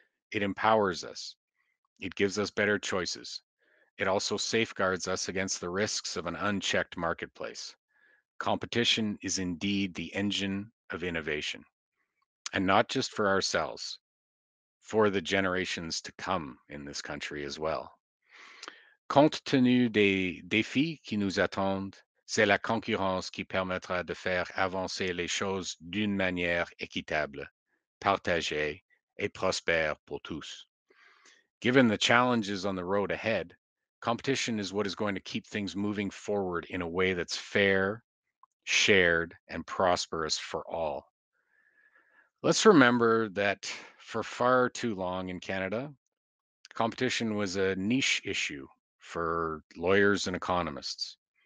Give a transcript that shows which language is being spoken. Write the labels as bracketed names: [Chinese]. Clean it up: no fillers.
[English] It empowers us. It gives us better choices. It also safeguards us against the risks of an unchecked marketplace. Competition is indeed the engine of innovation, and not just for ourselves, for the generations to come in this country as well. [French] Compte tenu des défis qui nous attendent, c'est la concurrence qui permettra de faire avancer les choses d'une manière équitable, partagée et prospère pour tous. [English] Given the challenges on the road ahead, competition is what is going to keep things moving forward in a way that's fair, shared, and prosperous for all. Let's remember that for far too long in Canada, competition was a niche issue for lawyers and economists.